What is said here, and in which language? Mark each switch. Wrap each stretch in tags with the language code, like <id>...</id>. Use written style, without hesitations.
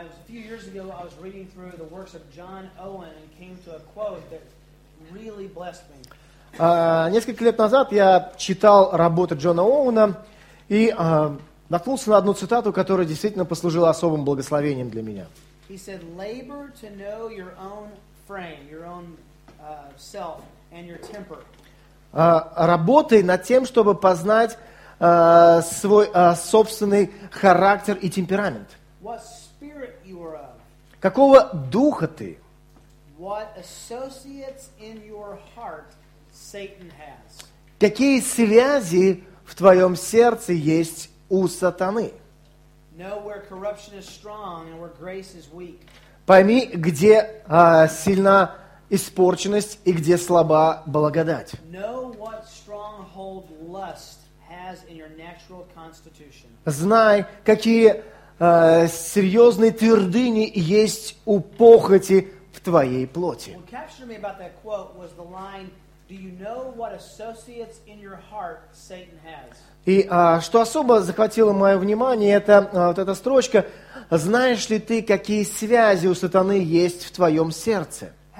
<ru>Несколько лет назад я читал работы Джона Оуэна и наткнулся на одну цитату, которая действительно послужила особым благословением для меня.</ru> <en>He said, labor to know your own frame, your own self and your temper.</en> <ru>Работай над тем, чтобы познать свой собственный характер и темперамент.</ru> <en>What spirit you are of.</en> <ru>Какого духа ты?</ru> <en>What associates in your heart Satan has.</en> <ru>Какие связи в твоем сердце есть у сатаны?</ru> <en>Know where corruption is strong and where grace is weak.</en> <ru>Пойми, где сильна испорченность и где слаба благодать.</ru> <en>Know what stronghold lust has in your natural constitution.</en> <ru>Знай, какие серьезные твердыни есть у похоти в твоей плоти.</ru> <en>What captured me about that quote was the line, "Do you know what associates in your heart Satan has?"</en> <ru>И что особо захватило мое внимание, это вот эта строчка. Знаешь ли ты, какие связи у сатаны есть в твоем сердце?</ru>